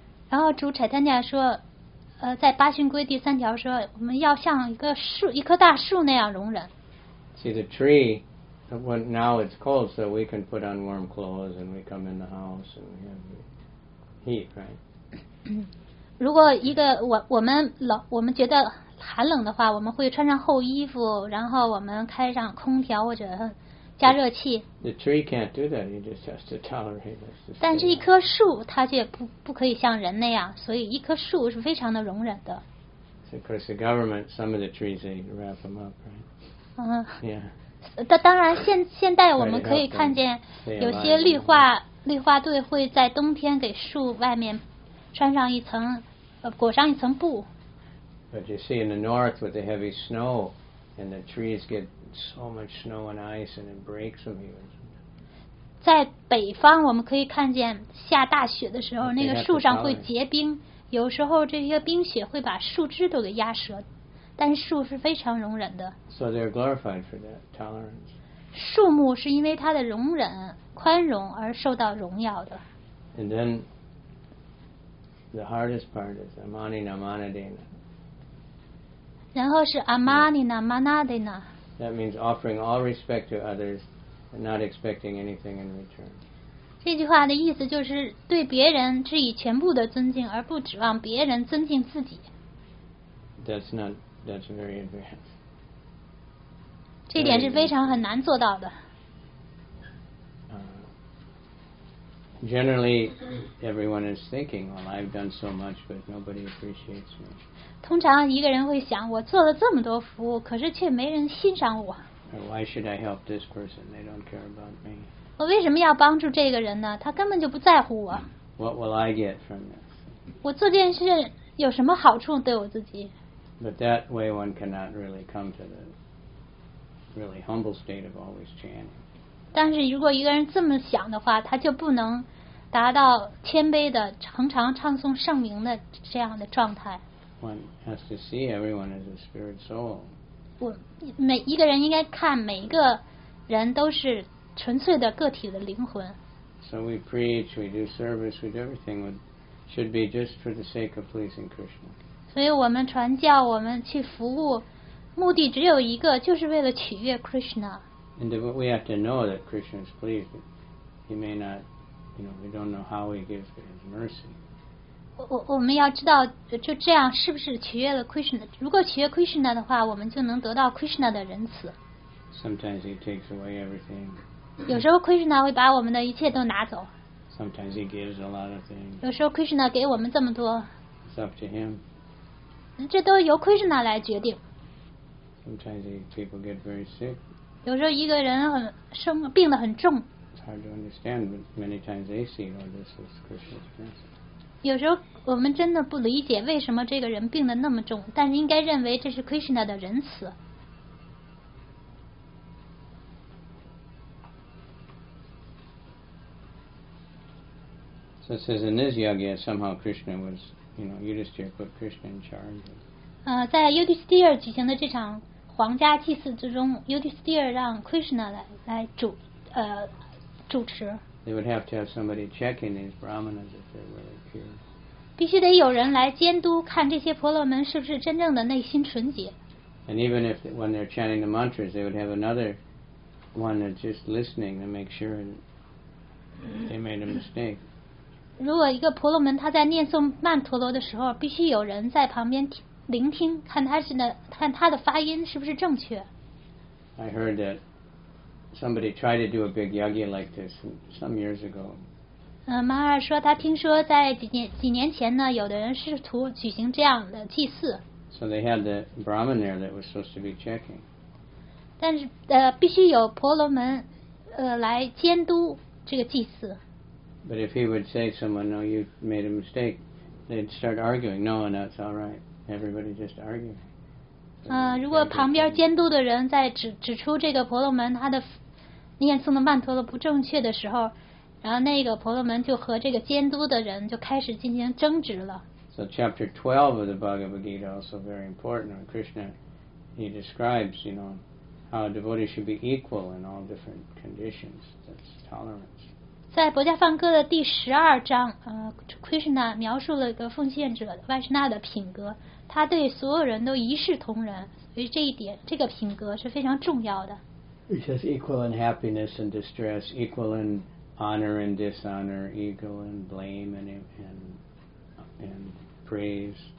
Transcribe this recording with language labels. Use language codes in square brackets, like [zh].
[zh] 然后主 Chaitanya 说在八训规第三条说，我们要像一个树，一棵大树那样容忍。 [en] See the tree, when now it's cold, so we can put on warm clothes and we come in the house and we have heat, right? [zh] 如果一个我们觉得寒冷的话，我们会穿上厚衣服，然后我们开上空调或者加热器。 [en] The tree can't do that. He just has to tolerate it. [zh] 但是一棵树它却不可以像人那样，所以一棵树是非常的容忍的。 [en] So of course the government, some of the trees they wrap them up, right? Yeah. [zh] 当然现代我们可以看见有些绿化队会在冬天给树外面穿上一层裹上一层布。 [en] But you see in the north with the heavy snow and the trees get so much snow and ice and it breaks them even. [zh] 在北方我们可以看见下大雪的时候那个树上会结冰有时候这些冰雪会把树枝都给压折但树是非常容忍的。 [en] So they're glorified for that tolerance. [zh] 树木是因为它的容忍宽容而受到荣耀的。 [en] And then the hardest part is Amani Namanadena. [zh] 然后是 Amani Namanadena. [en] That means offering all respect to others and not expecting anything in return. [zh] 这句话的意思就是对别人致以全部的尊敬而不指望别人尊敬自己。 [en] That's very advanced. [zh] 这点是非常很难做到的。 [en] Generally, everyone is thinking, well, I've done so much, but nobody appreciates me. [zh] 通常一个人会想，我做了这么多服务，可是却没人欣赏我。 [en] Or why should I help this person? They don't care about me. [zh] 我为什么要帮助这个人呢？他根本就不在乎我。 [en] What will I get from this? [zh] 我做件事有什么好处对我自己？ [en] But that way one cannot really come to the really humble state of always chanting. [zh] 但是如果一个人这么想的话他就不能达到谦卑的恒常唱诵圣名的这样的状态。 [en] One has to see everyone as a spirit soul. [zh] 每一个人应该看每一个人都是纯粹的个体的灵魂。 [en] So we preach, we do service, we do everything with, should be just for the sake of pleasing Krishna. [zh] 所以我们传教，我们去服务，目的只有一个，就是为了取悦 Krishna。 [en] And we have to know that Krishna is pleased. He may not, you know, we don't know how he gives his mercy. [zh] 我们要知道，就这样是不是取悦了 Krishna？ 如果取悦 Krishna 的话，我们就能得到 Krishna 的仁慈。 [en] Sometimes he takes away everything. [zh] 有时候 Krishna 会把我们的一切都拿走。 [en] Sometimes he gives a lot of things. [zh] 有时候 Krishna 给我们这么多。 [en] It's up to him. [zh] 这都由 Krishna 来决定。 [en] Sometimes people get very sick. [zh] 有时候一个人很生病得很重。 [en] It's hard to understand, but many times they see, oh, this is Krishna's mercy. [zh] 有时候我们真的不理解为什么这个人病得那么重，但是应该认为这是 Krishna 的仁慈。 [en] So it says in this yagya, somehow Krishna was, you know, Yudhisthira put Krishna in charge. [zh] 在 Yudhisthira 举行的这场皇家祭祀之中 ，Yudhisthira 让 Krishna 来主持。 [en] They would have to have somebody checking these brahmanas if they were pure. [zh] 必须得有人来监督，看这些婆罗门是不是真正的内心纯洁。 [en] And even if when they're chanting the mantras, they would have another one that's just listening to make sure they made a mistake. [zh] 如果一个婆罗门他在念诵曼陀罗的时候，必须有人在旁边听。聆听看他是的看他的发音是不是正确 [en] I heard that somebody tried to do a big yagya like this some years ago. [zh] 马尔说他听说在几年前呢有的人试图举行这样的祭祀 [en] So they had the Brahmin there that was supposed to be checking. [zh] 但是必须有婆罗门来监督这个祭祀 [en] But if he would say someone, no, you made a mistake, they'd start arguing, no, that's all right. Everybody just arguing. [zh] 如果旁边监督的人在指出这个婆罗门他的念诵的曼陀罗不正确的时候，然后那个婆罗门就和这个监督的人就开始进行争执了。 [en] So chapter 12 of the Bhagavad Gita also very important. Krishna, he describes, you know, how a devotee should be equal in all different conditions. That's tolerance. [zh] 在《薄伽梵歌》的第十二章，Krishna 描述了一个奉献者的 Vaishnava 的品格。他对所有人都一视同仁，所以这一点，这个品格是非常重要的。 [en] He says equal in happiness and distress, equal in honor and dishonor, equal in blame and praise.